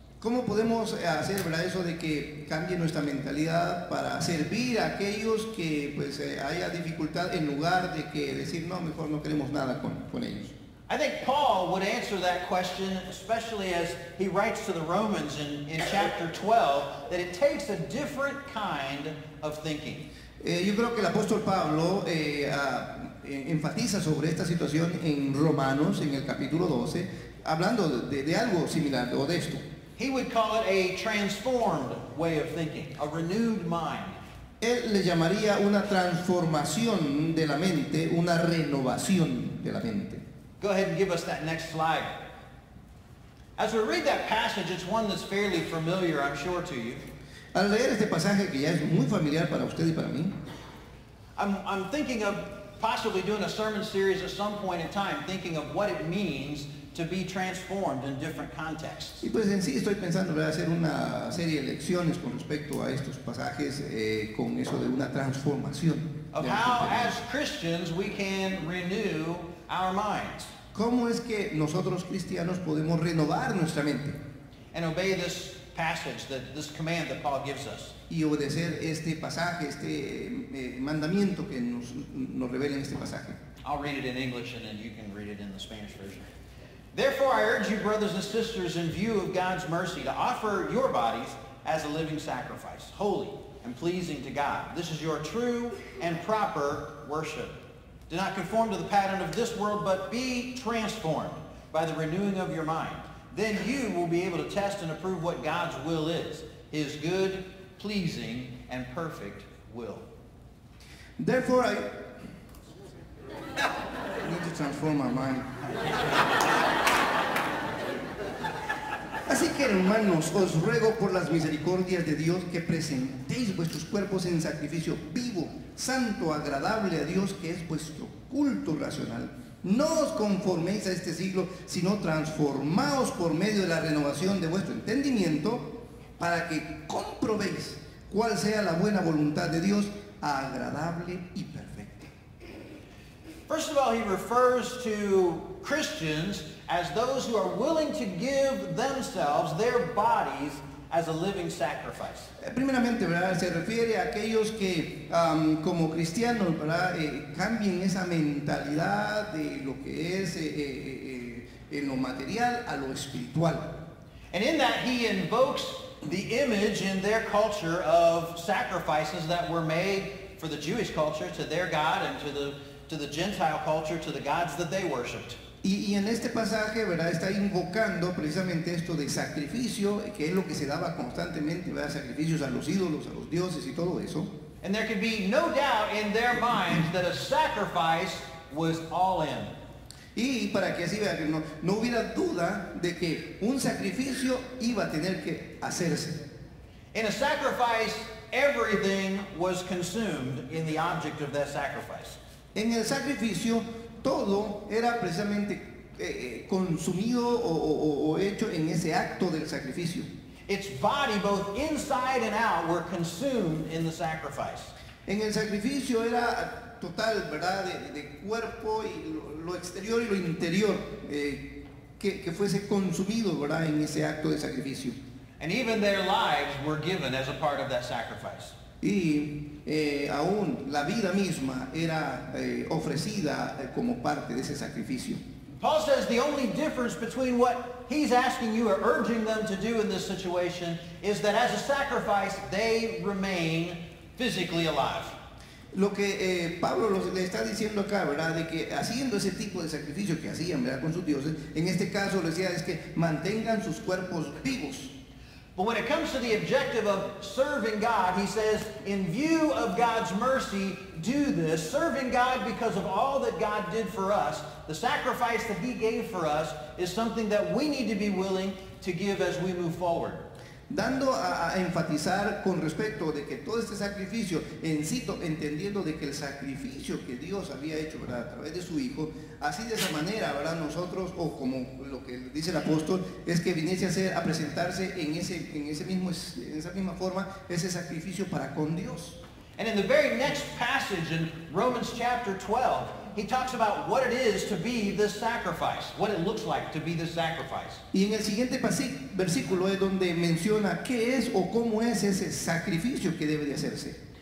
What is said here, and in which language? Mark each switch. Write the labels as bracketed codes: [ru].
[es] ¿Cómo podemos hacer, ¿verdad?, eso de que cambie nuestra mentalidad para servir a aquellos que pues haya dificultad en lugar de que decir no, mejor no queremos nada con ellos? [en] I think Paul would answer that question, especially as he writes to the Romans in chapter 12, that it takes a different kind of thinking. [es] Yo creo que el apóstol Pablo enfatiza sobre esta situación en Romanos, en el capítulo 12, hablando de algo similar o de esto. [en] He would call it a transformed way of thinking, a renewed mind. [es] Él le llamaría una transformación de la mente, una renovación de la mente. [en] Go ahead and give us that next slide. As we read that passage, it's one that's fairly familiar, I'm sure, to you. [es] Al leer este pasaje que ya es muy familiar para usted y para mí. [en] I'm thinking of possibly doing a sermon series at some point in time, thinking of what it means to be transformed in different contexts. [es] Y pues en sí estoy pensando en hacer una serie de lecciones con respecto a estos pasajes con eso de una transformación. [en] Of how, as Christians, we can renew our minds. [es] ¿Cómo es que nosotros cristianos podemos renovar nuestra mente? [en] And obey this passage, this command that Paul gives us. [es] Y obedecer este pasaje, este mandamiento que nos revela en este pasaje. [en] I'll read it in English and then you can read it in the Spanish version. Therefore, I urge you, brothers and sisters, in view of God's mercy, to offer your bodies as a living sacrifice, holy and pleasing to God. This is your true and proper worship. Do not conform to the pattern of this world, but be transformed by the renewing of your mind. Then you will be able to test and approve what God's will is, his good, pleasing, and perfect will. Therefore, I need to transform my mind. [es] Así que, hermanos, os ruego por las misericordias de Dios que presentéis vuestros cuerpos en sacrificio vivo, santo, agradable a Dios, que es vuestro culto racional. No os conforméis a este siglo, sino transformaos por medio de la renovación de vuestro entendimiento para que comprobéis cuál sea la buena voluntad de Dios, agradable y perfecta. [en] First of all, he refers to Christians as those who are willing to give themselves, their bodies, as a living sacrifice. [es] Primeramente, ¿verdad?, se refiere a aquellos que, como cristianos, ¿verdad?, cambien esa mentalidad de lo que es en lo material a lo espiritual. [en] And in that, he invokes the image in their culture of sacrifices that were made for the Jewish culture to their God and to the Gentile culture to the gods that they worshipped. [es] Y en este pasaje, ¿verdad?, está invocando precisamente esto de sacrificio, que es lo que se daba constantemente, ¿verdad?, sacrificios a los ídolos, a los dioses y todo eso. [en] And there could be no doubt in their minds that a sacrifice was all in. [es] Y para que así vea, que no hubiera duda de que un sacrificio iba a tener que hacerse. [en] In a sacrifice, everything was consumed in the object of that sacrifice. [es] En el sacrificio, todo era precisamente consumido o hecho en ese acto del sacrificio. [en] Its body, both inside and out, were consumed in the sacrifice. [es] En el sacrificio era total, ¿verdad?, de cuerpo y lo exterior y lo interior, que fuese consumido, ¿verdad?, en ese acto de sacrificio. [en] And even their lives were given as a part of that sacrifice. [es] Y aún la vida misma era ofrecida como parte de ese sacrificio. [en] Paul says the only difference between what he's asking you or urging them to do in this situation is that as a sacrifice, they remain physically alive. [es] Lo que Pablo le está diciendo acá, ¿verdad?, de que haciendo ese tipo de sacrificio que hacían, ¿verdad?, con sus dioses, en este caso le decía es que mantengan sus cuerpos vivos. [en] But when it comes to the objective of serving God, he says, in view of God's mercy, do this. Serving God because of all that God did for us, the sacrifice that he gave for us, is something that we need to be willing to give as we move forward. [es] Dando a enfatizar con respecto de que todo este sacrificio, en sí, entendiendo de que el sacrificio que Dios había hecho, ¿verdad?, a través de su Hijo, así de esa manera, ¿verdad?, nosotros, o como lo que dice el apóstol, es que viniese a presentarse en esa misma forma, ese sacrificio para con Dios. [en] And in the very next passage in Romans chapter 12, he talks about what it is to be the sacrifice, what it looks like to be the sacrifice. [es] Y en el siguiente versículo es donde menciona qué es o cómo es ese sacrificio que debe de hacerse.